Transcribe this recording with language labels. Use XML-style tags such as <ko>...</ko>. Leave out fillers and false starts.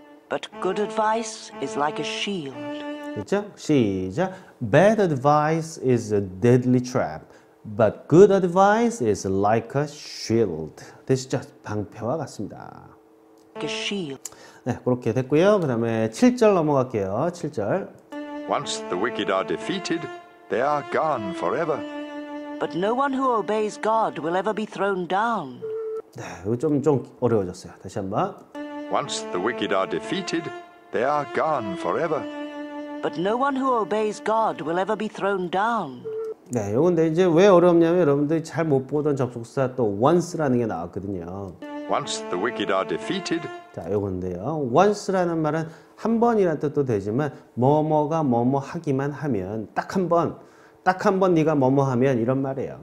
<en>But good advice is like a shield.</en> <ko>그렇죠? 시작.</ko> <en>Bad advice is a deadly trap. But good advice is like a shield.</en> <ko>됐죠? 방패와 같습니다.</ko> <en>Like a shield.</en> <ko>네, 그렇게 됐고요. 그 다음에 7절 넘어갈게요. 7절.</ko> <en>Once the wicked are defeated, they are gone forever. But no one who obeys God will ever be thrown down.</en> <ko>네, 이거 좀 어려워졌어요. 다시 한번.</ko> <en>Once the wicked are defeated, they are gone forever. But no one who obeys God will ever be thrown down.</en> <ko>네, 요건데 이제 왜 어렵냐면 여러분들이 잘 못 보던 접속사 또 once라는 게 나왔거든요.</ko> <en>Once the wicked are defeated.</en> <ko>자, 요건데요. once라는 말은 한 번이라는 뜻도 되지만 뭐뭐가 뭐뭐 하기만 하면 딱 한 번 네가 뭐뭐 하면 이런 말이에요.</ko>